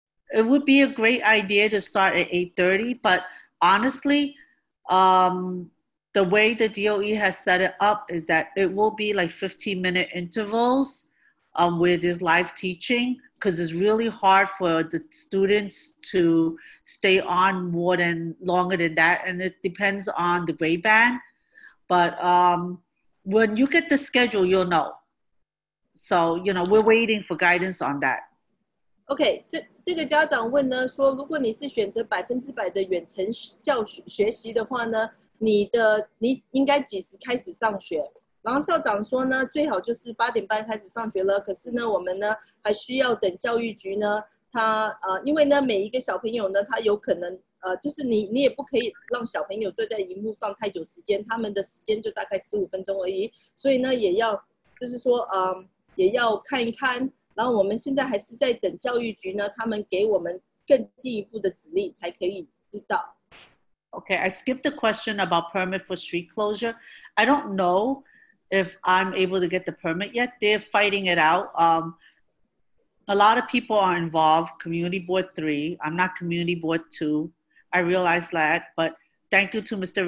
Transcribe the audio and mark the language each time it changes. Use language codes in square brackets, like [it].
[en] It would be a great idea to start at 8:30, but honestly, the way the DOE has set it up is that it will be like 15-minute intervals where there's live teaching, because it's really hard for the students to stay on longer than that, and it depends on the grade band. But when you get the schedule, you'll know. So, you know, we're waiting for guidance on that. [zh] Okay, 这个家长问呢，说如果你是选择100%的远程教学习的话呢，你应该几时开始上学？然后校长说呢，最好就是8:30开始上学了。可是呢，我们呢还需要等教育局呢，他因为呢每一个小朋友呢，他有可能就是你也不可以让小朋友坐在荧幕上太久时间，他们的时间就大概15分钟而已。所以呢，也要就是说也要看一看。然后我们现在还是在等教育局呢，他们给我们更进一步的指令才可以知道。 [en] Okay, I skipped the question about permit for street closure. I don't know if I'm able to get the permit yet. They're fighting it out. A lot of people are involved, Community Board 3. I'm not Community Board 2. I realize that, but thank you to Mr.